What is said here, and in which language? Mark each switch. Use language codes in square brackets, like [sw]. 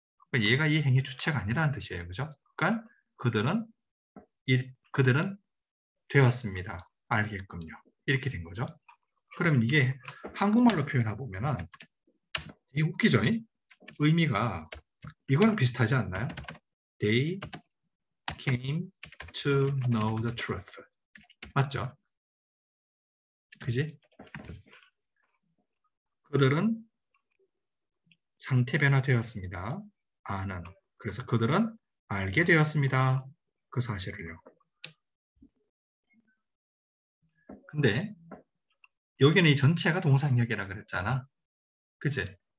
[ko] 그러니까 얘가 이 행위 주체가 아니라는 뜻이에요. 그죠? 그러니까 그들은 되었습니다. 알게끔요. 이렇게 된 거죠. 그럼 이게 한국말로 표현해 보면은 이 웃기죠? 의미가 이거랑 비슷하지 않나요? [en] They came to know the truth. [ko] 맞죠? 그지? 그들은 상태 변화되었습니다. 아는. 그래서 그들은 알게 되었습니다. 그 사실을요. 근데 여기는 이 전체가 동사역이라 그랬잖아. 그지?